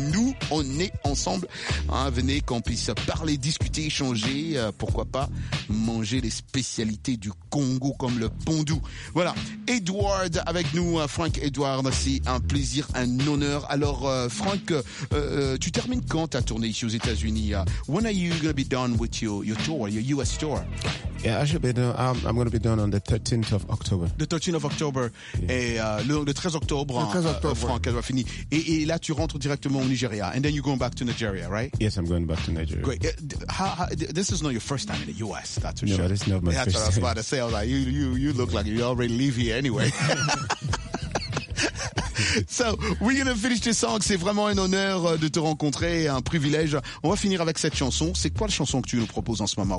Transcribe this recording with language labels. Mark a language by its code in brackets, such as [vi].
[fr] nous, on est ensemble. Hein, venez qu'on puisse parler, discuter, échanger. Pourquoi pas manger les spécialités du Congo comme le pondou. Voilà, Edward avec nous. Frank Edward, c'est un plaisir, un honneur. Alors, Frank, tu termines quand ta tournée ici aux États-Unis? [en] When are you going to be done with your tour, your US tour? Yeah, I should be done. I'm going to be done on the 13th of October. The 13th of October. [fr] Yeah. Et le 13 octobre, Franck, elle va finir. Et là, tu rentres directement au Nigeria. [en] And then you're going back to Nigeria, right? Yes, I'm going back to Nigeria. Great. This is not your first time in the U.S., that's for no, sure. No, this is not my first time. That's what I was about to say. I was like, you look like you already live here anyway. So, we're going to finish this song. [fr] C'est vraiment un honneur de te rencontrer, un privilège. On va finir avec cette chanson. C'est quoi la chanson que tu nous proposes en ce moment?